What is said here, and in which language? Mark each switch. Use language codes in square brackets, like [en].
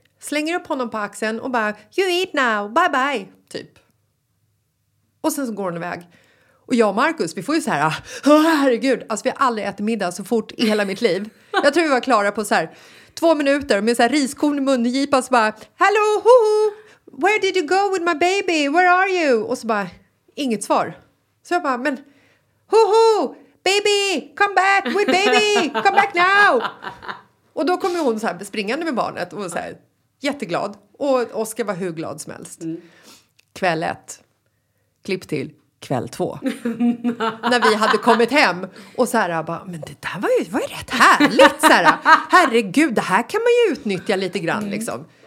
[sv] Slänger upp honom på axeln och bara: [en] you eat now, bye bye. [sv] Typ. Och sen så går hon iväg. Och jag och Marcus, vi får ju så här: herregud, alltså vi har aldrig ätit middag så fort i hela mitt liv. Jag tror vi var klara på så här 2 minuter med så här riskorn i mungipa. Så bara: [en] hello, hoho, where did you go with my baby? Where are you? [sv] Och så bara, inget svar. Så jag bara: men hoho, [en] baby, come back with baby, come back now. [sv] Och då kommer hon så här springande med barnet och så här jätteglad. Och Oscar var hur glad som helst. Kväll 1, klipp till. Kväll 2. När vi hade kommit hem. Och så här, bara: men det där var ju, rätt härligt. Så här, herregud, det här kan man ju utnyttja lite grann. Mm. Liksom.